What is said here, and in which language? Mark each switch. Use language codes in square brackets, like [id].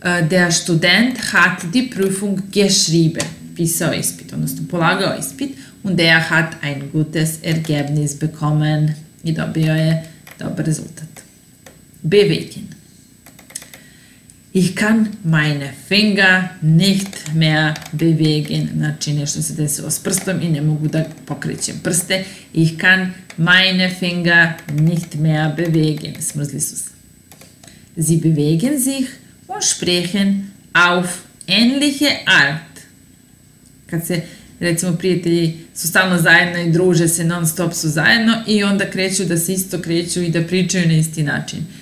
[de] Der Student hat die Prüfung geschrieben. [sr] Pisao ispit, odnosno polagao ispit. [de] Und hat ein gutes Ergebnis bekommen. [sr] I dobio je dobar rezultat. Bewegen. [de] Ich kann meine Finger nicht mehr bewegen. [sr] Znači, nešto se desilo s prstom i ne mogu da pokrećem prste. [de] Ich kann meine Finger nicht mehr bewegen. [sr] Smrzli su se. [de] Sie bewegen sich und sprechen auf ähnliche Art. [sr] Kad se, recimo, prijatelji su stalno zajedno i druže se, non stop su zajedno i onda kreću da se isto kreću i da pričaju na isti način.